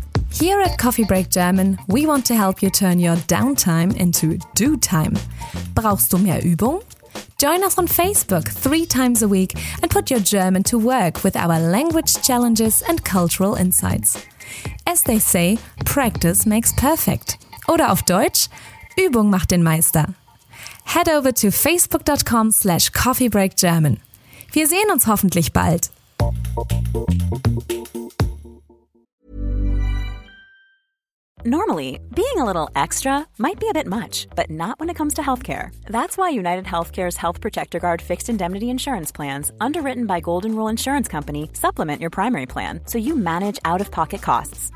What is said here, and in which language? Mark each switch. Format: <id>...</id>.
<en>Here at Coffee Break German, we want to help you turn your downtime into do time.</en> <de>Brauchst du mehr Übung?</de> <en>Join us on Facebook 3 times a week and put your German to work with our language challenges and cultural insights. As they say, practice makes perfect.</en> <de>Oder auf Deutsch, Übung macht den Meister.</de> <en>Head over to facebook.com/coffeebreakgerman.</en> <de>Wir sehen uns hoffentlich bald.</de> <en>Normally, being a little extra might be a bit much, but not when it comes to healthcare. That's why UnitedHealthcare's Health Protector Guard fixed indemnity insurance plans, underwritten by Golden Rule Insurance Company, supplement your primary plan so you manage out-of-pocket costs.</en>